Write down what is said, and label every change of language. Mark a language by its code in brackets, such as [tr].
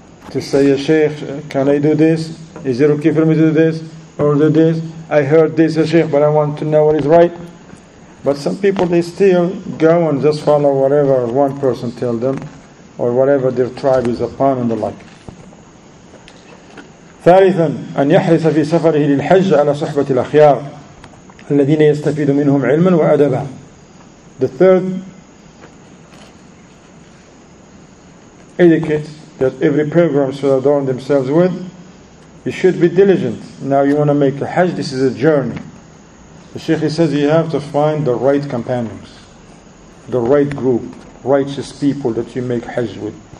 [en] To say, ya Shaykh, can I do this? Is it okay for me to do this? Or do this? I heard this, ya Shaykh, but I want to know what is right. But some people, they still go and just follow whatever one person tell them or whatever their tribe is upon and the like. [ar] ثالثا أن يحرص في سفره للحج على صحبة الأخيار الذين يستفيد منهم علما وأدبا. [en] The third etiquette that every pilgrim should adorn themselves with, you should be diligent. Now you want to make a Hajj, this is a journey. The Shaykh says you have to find the right companions, the right group, righteous people that you make Hajj with.